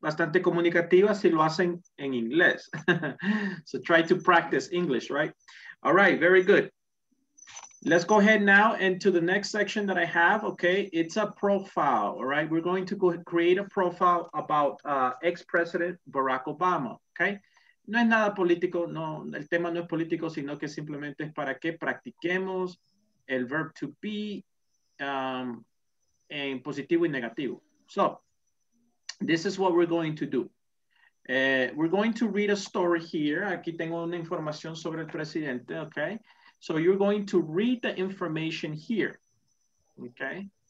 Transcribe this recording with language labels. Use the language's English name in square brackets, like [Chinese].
[Spanish] Bastante comunicativa si lo hacen en inglés. [English] So try to practice English, right? All right, very good. Let's go ahead now into the next section that I have, okay? It's a profile, all right? We're going to go create a profile about ex-president Barack Obama, okay? [Spanish] No es nada político, no, el tema no es político, sino que simplemente es para que practiquemos el verb to be en positivo y negativo. [English] So, this is what we're going to do. We're going to read a story here. [Spanish] Aquí tengo una información sobre el presidente, okay? [English] So you're going to read the information here, okay?